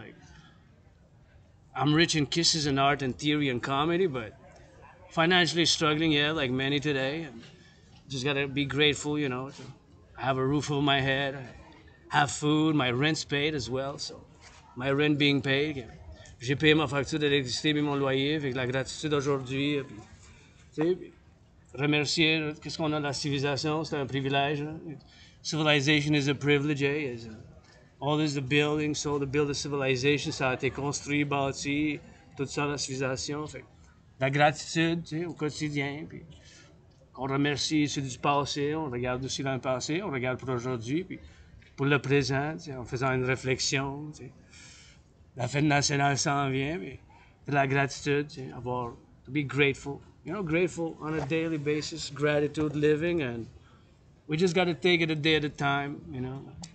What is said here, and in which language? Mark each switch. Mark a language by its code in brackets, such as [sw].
[en] Like, I'm rich in kisses and art and theory and comedy, but financially struggling, yeah, like many today. And just gotta be grateful, you know, to have a roof over my head, I have food, my rent's paid as well, so my rent being paid, yeah. [fr] J'ai payé ma facture d'électricité et mon loyer avec la gratitude d'aujourd'hui. Puis, tu sais, puis remercier, qu'est-ce qu'on a de la civilisation, c'est un privilège. [en] Hein? Civilization is a privilege, eh? It's a, all this the building, so the build of civilization, [fr] ça a été construit, bâti, tout ça, la civilisation. Fait, la gratitude, tu sais, au quotidien. Puis, on remercie ceux du passé, on regarde aussi dans le passé, on regarde pour aujourd'hui, puis pour le présent, tu sais, en faisant une réflexion, tu sais. La fête nationale s'en vient, mais de la gratitude, tu sais, avoir, [en] to be grateful. You know, grateful on a daily basis, gratitude, living, and we just gotta take it a day at a time, you know.